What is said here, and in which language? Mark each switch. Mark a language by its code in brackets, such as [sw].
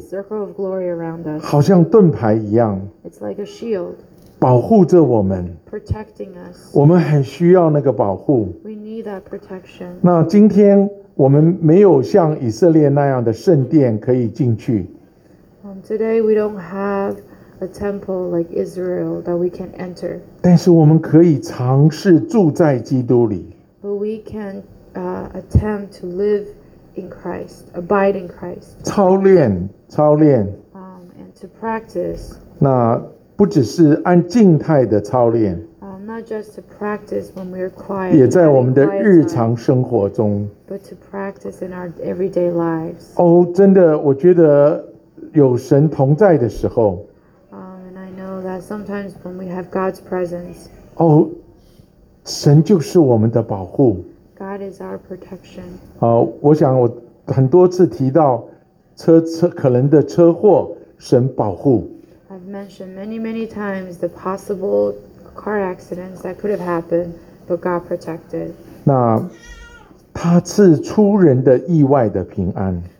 [en] Circle of glory around us. [zh] 好像盾牌一样。 [en] It's like a shield. [zh] 保护着我们。 [en] Protecting us. [zh] 我们很需要那个保护。 [en] We need that protection. [zh] 那今天我们没有像以色列那样的圣殿可以进去。 [en] Today we don't have a temple like Israel that we can enter. [zh] 但是我们可以尝试住在基督里。 [en] But we can attempt to live in Christ, abide in Christ. [zh] 操练。 [en] And to practice. [zh] 那不只是按静态的操练。 [en] Not just to practice when we are quiet. [zh] 也在我们的日常生活中。 [en] But to practice in our everyday lives. [zh] 真的，我觉得。有神同在的时候 [en] and I know that sometimes when we have God's presence, [zh] 神就是我们的保护。 [en] God is our protection. [zh] 我想我很多次提到，可能的车祸，神保护。 [en] I've mentioned many, many times the possible car accidents that could have happened, but God protected. [zh] 那他赐出人的意外的平安。